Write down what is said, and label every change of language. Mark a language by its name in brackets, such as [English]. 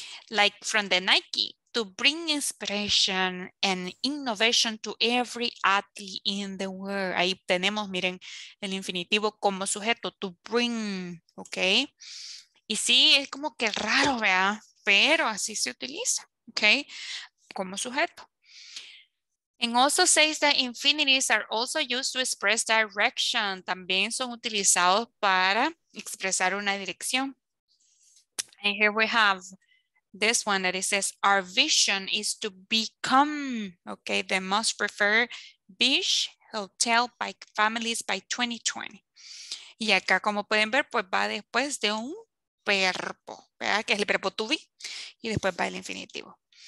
[English] Like from the Nike, to bring inspiration and innovation to every athlete in the world. [Spanish] Ahí tenemos, miren, el infinitivo como sujeto, to bring, ¿ok? Y sí, es como que raro, ¿vea? Pero así se utiliza, ¿ok? Como sujeto. [English] And also says that infinities are also used to express direction. [Spanish] También son utilizados para expresar una dirección. [English] And here we have this one that it says, our vision is to become, ¿ok? The most preferred beach hotel by families by 2020. [Spanish] Y acá, como pueden ver, pues va después de un verbo, ¿verdad? Que es el verbo to be y después va el infinitivo.